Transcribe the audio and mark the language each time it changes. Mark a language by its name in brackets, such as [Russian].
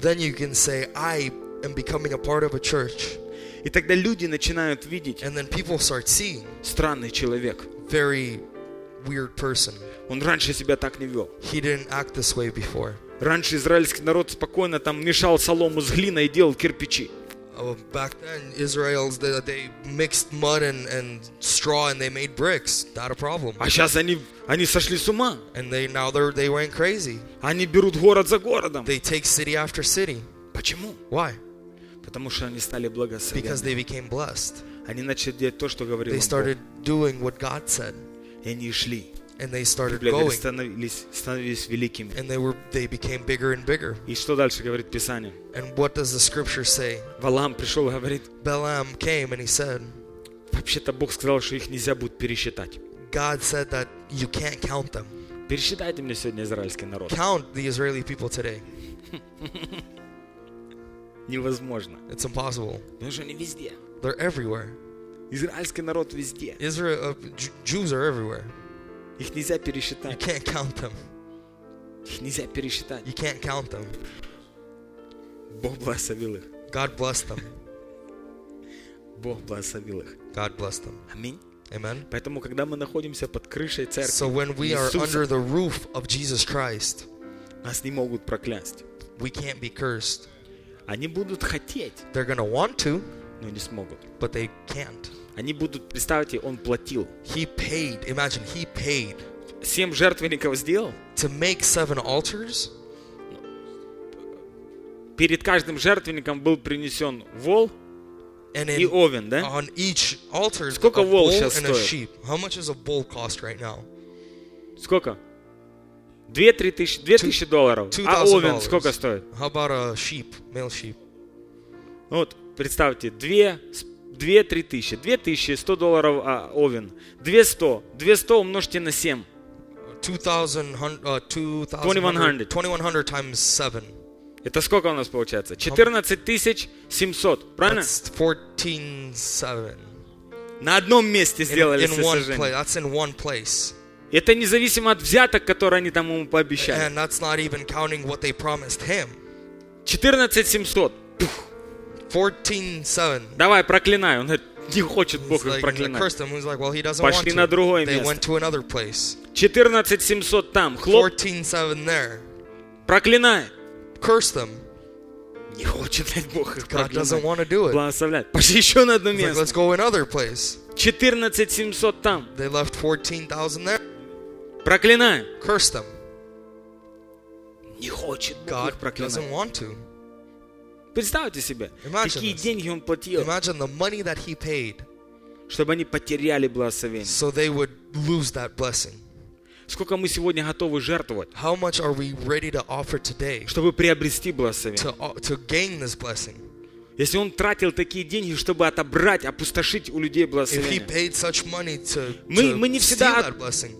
[English] Then you can say, I am becoming a part of a church. [Russian] И тогда люди начинают видеть. [English] And then people start seeing. [Russian] Странный человек. [English] Very weird person. [Russian] Он раньше себя так не вел. [English] He didn't act this way before. [Russian] Раньше израильский народ спокойно там мешал солому с глиной и делал кирпичи. [English] Back then, Israel's they mixed mud and straw and they made bricks. Not a problem. [Russian] А сейчас они сошли с ума. [English] And they went crazy. [Russian] Они берут город за городом. [English] They take city after city. [Russian] Почему? [English] Why? [Russian] Потому что они стали благословенными. [English] Because they became blessed. [Russian] Они начали делать то, что говорил Бог. [English] They started doing what God said. [Russian] И они шли. [English] And they started going. [Russian] Становились великими. [English] And they became bigger and bigger. [Russian] И что дальше говорит Писание? [English] And what does the scripture say? [Russian] Валаам пришел и говорит. [English] Balaam came and he said. [Russian] Вообще-то Бог сказал, что их нельзя будет пересчитать. [English] God said that you can't count them. [Russian] Пересчитайте мне сегодня израильский народ. [English] Count the Israeli people today. [Russian] Невозможно. [English] It's impossible. [Russian] Потому что они везде. [English] They're everywhere. [Russian] Израильский народ везде. [English] Jews are everywhere. [Russian] Их нельзя пересчитать. [English] You can't count them. [Russian] Их нельзя пересчитать. [English] You can't count them. [Russian] Бог благословил их. [English] God blessed them. [Russian] Бог благословил их. [English] God blessed them. [Russian] Аминь. [English] Amen. [Russian] Поэтому, когда мы находимся под крышей церкви, [English] so when we are under the roof of Jesus Christ, [Russian] нас не могут проклясть. [English] We can't be cursed. [Russian] Они будут хотеть. [English] They're gonna want to. [Russian] Но не смогут. [English] But they can't. [Russian] Они будут, представьте, он платил. [English] He paid. Imagine, he paid. [Russian] Семь жертвенников сделал. [English] To make seven altars. [Russian] Перед каждым жертвенником был принесен вол и овен, да? [English] On each altar. [Russian] Сколько вол сейчас стоит? [English] How much does a bull cost right now? [Russian] Сколько? 2-3 тысячи долларов. А овен сколько стоит? [English] How about a sheep, male sheep? [Russian] Вот, представьте, 2-3 тысячи. 2 тысячи, $100 овен. 200 умножьте на 7. [English] 2100 times 7. [Russian] Это сколько у нас получается? 14700, правильно? [English] That's 14700. [Russian] На одном месте сделали сожжение. [English] That's in one place. [Russian] Это независимо от взяток, которые они там ему пообещали. [English] And that's not even counting what they promised him. [Russian] 14700. 14-7. Давай, проклинай. Он говорит, не хочет Бог их проклинать. [English] Like, well, [Russian] пошли на другое [English] they [Russian] место. [English] They place. [Russian] 14-700 там. Хлоп. [English] 14-7 there. [Russian] Проклинай. [English] Curse them. [Russian] Не хочет Бог их [English] God [Russian] проклинать. Благословлять. Пошли еще на одно место. [English] Like, let's go another place. [Russian] 14-700 там. [English] They left 14,000 there. [Russian] Проклинай. [English] Curse them. [Russian] Не хочет Бог [English] God [Russian] их проклинать. [English] Doesn't want to. [Russian] Представьте себе, [English] imagine [Russian] какие [English] this. [Russian] Деньги он платил. [English] Imagine the money that he paid, [Russian] чтобы они потеряли благословение. [English] So they would lose that blessing. [Russian] Сколько мы сегодня готовы жертвовать? [English] How much are we ready to offer today, [Russian] чтобы приобрести благословение? [English] To gain this blessing. [Russian] Если он тратил такие деньги, чтобы отобрать, опустошить у людей благословение. [English] If he paid such money to steal that blessing.